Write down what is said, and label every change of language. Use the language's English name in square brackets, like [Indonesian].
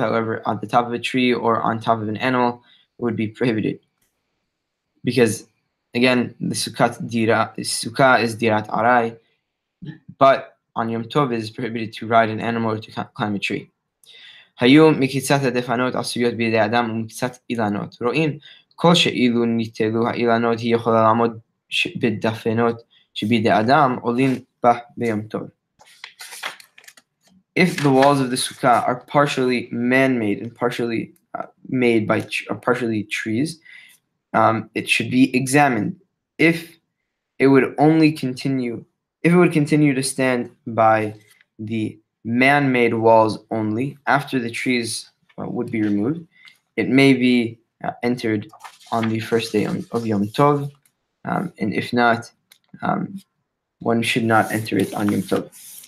[English] However, on the top of a tree or on top of an animal, it would be prohibited. Because, again, the sukkah is dirat arai, but on Yom Tov it is prohibited to ride an animal or to climb a tree. [Hebrew] Hayom mikitzat defanot asuyot bidei adam umikitzat ilanot ro'in. כל שאילו ניתלו האילנות היא יכולה לעמוד בדפנות שבידי אדם עולים בה ביום טוב. [English] If the walls of the sukkah are partially man-made and partially made by partially trees, it should be examined. If it would only continue, if it would continue to stand by the man-made walls only after the trees would be removed, it may be entered on the first day of Yom Tov, and if not, one should not enter it on Yom Tov.